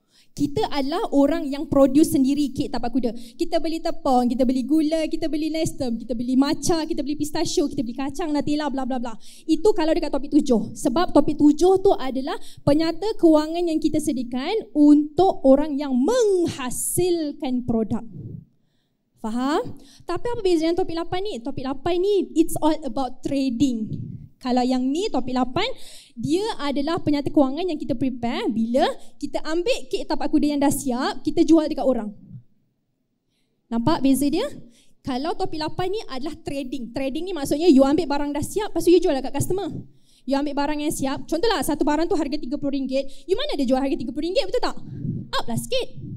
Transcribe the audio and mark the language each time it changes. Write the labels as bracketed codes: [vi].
[ms] Kita adalah orang yang produce sendiri kek tapak kuda. Kita beli tepung, kita beli gula, kita beli nestum, kita beli matcha, kita beli pistachio, kita beli kacang, Nutella, bla bla bla. Itu kalau dekat topik 7. Sebab topik 7 tu adalah penyata kewangan yang kita sediakan untuk orang yang menghasilkan produk. Faham? Tapi apa beza dengan topik 8 ni? Topik 8 ni, [en] it's all about trading. [ms] Kalau yang ni, topik 8, dia adalah penyata kewangan yang kita prepare bila kita ambil kek tapak kuda yang dah siap, kita jual dekat orang. Nampak beza dia? Kalau topik 8 ni adalah trading. Trading ni maksudnya you ambil barang dah siap, lepas tu you jual dekat customer. You ambil barang yang siap, contohlah satu barang tu harga RM30, you mana ada jual harga RM30, betul tak? Up lah sikit.